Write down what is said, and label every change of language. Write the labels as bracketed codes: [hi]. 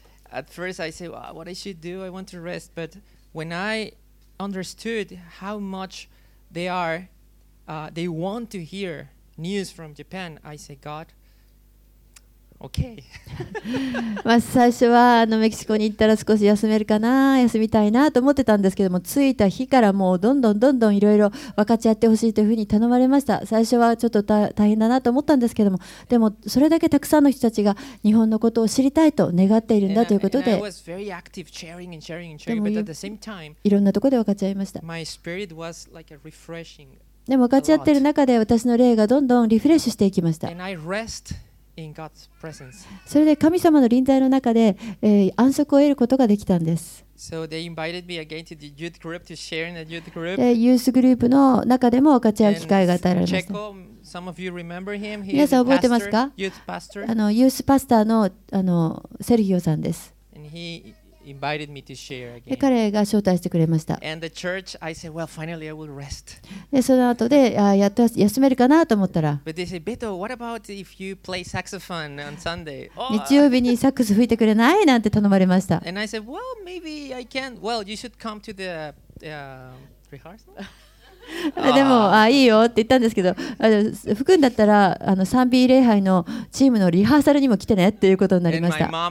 [en] At first I say, well, what I should do, I want to rest. But when I understood how much they are, they want to hear news from Japan, I say, God, okay. [ja] まあ最初はメキシコに行ったら少し休めるかな、休みたいなと思ってたんですけども、着いた日からもうどんどんどんどんいろいろ分かち合ってほしいというふうに頼まれました。最初はちょっと大変だなと思ったんですけども、でもそれだけたくさんの人たちが日本のことを知りたいと願っているんだということで、いろんなところで分かち合いました。 [en] My spirit was like a refreshing. [ja] でも分かち合っている中で私の霊がどんどんリフレッシュしていきました。 [en] And I rest. In God's presence. [ja] それで神様の臨在の中で、安息を得ることができたんです。 [en] So they invited me again to the youth group to share in the youth group. [ja] で、ユースグループの中でも分かち合う機会が与えられました。 [en] And Checo, some of you remember him. He's [ja] 皆さん覚えてますか？ [en] Youth pastor. [ja] ユースパスターの、セルヒオさんです。 [en] And he invited me to share again. [ja] で、彼が招待してくれました。 [en] And the church, I said, well, finally I will rest. [ja] で、その後で、やっと休めるかなと思ったら。 [en] But they said, Beto, what about if you play saxophone on Sunday? [ja] 日曜日にサックス吹いてくれない？なんて頼まれました。 [en] And I said, well, maybe I can. Well, you should come to the rehearsal. [ja] でも、いいよって言ったんですけど、吹くんだったら賛美礼拝のチームのリハーサルにも来てねっていうことになりました。